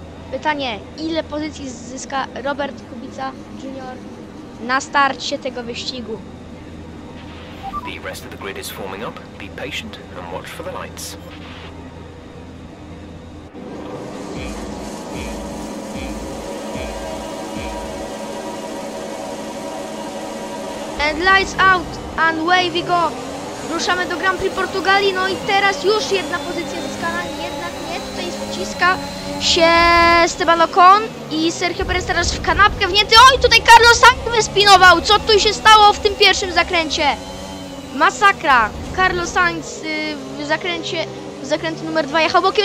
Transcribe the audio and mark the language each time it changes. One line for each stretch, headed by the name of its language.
Polish: Pytanie, ile pozycji zyska Robert Kubica Junior na starcie tego wyścigu.
English: The rest of the grid is forming up. Be patient and watch for the lights. And lights out and away we go.
Polish: ruszamy do Grand Prix Portugalii. No i teraz już jedna pozycja zyskana, jednak nie. Tutaj wciska się Esteban Ocon i Sergio Perez teraz w kanapkę wnięty. Oj, tutaj Carlos Sainz wyspinował. Co tu się stało w tym pierwszym zakręcie? Masakra. Carlos Sainz w zakręcie numer 2 jechał bokiem.